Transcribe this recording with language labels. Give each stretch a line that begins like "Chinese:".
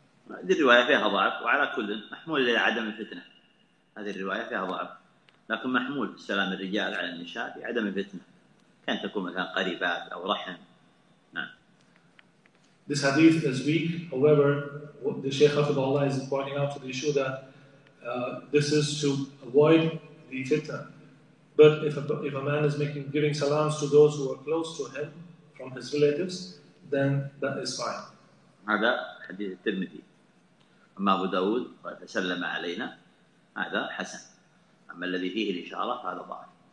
Arabic: هذه الرواية فيها ضعف وعلى كل محمول لعدم الفتنة. هذه الرواية فيها ضعف لكن محمول سلام الرجال على النساء لعدم الفتنة كان تكون مثلا قريبات أو رحم. نعم.
English: This hadith is weak. However, what the Shaykh Hafidhullah is pointing out to the issue that this is to avoid the fitnah. But if a man is giving salams to those who are close to him from his relatives, then that is fine.
Arabic: هذا حديث الترمذي. أما أبو داود فسلم علينا هذا حسن. أما الذي فيه الإشارة فهذا ضعيف.